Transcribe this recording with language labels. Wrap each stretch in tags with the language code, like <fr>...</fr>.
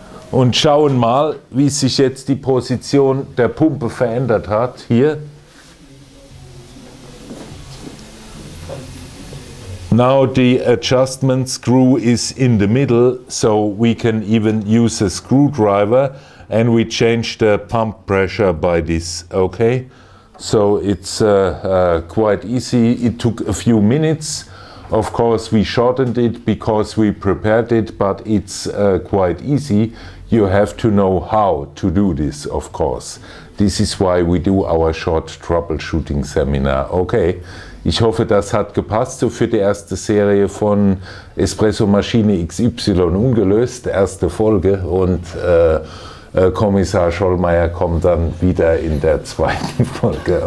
<de>Und schauen mal, wie sich jetzt die Position der Pumpe verändert hat, hier.</de> <en>Now the adjustment screw is in the middle, so we can even use a screwdriver and we change the pump pressure by this, okay? So it's quite easy, it took a few minutes. Of course we shortened it because we prepared it, but it's quite easy. You have to know how to do this, of course. This is why we do our short troubleshooting seminar.</en> <de>Okay, ich hoffe, das hat gepasst so für die erste Serie von Espresso Maschine XY ungelöst, erste Folge. Und Kommissar Schollmeier kommt dann wieder in der zweiten Folge.</de>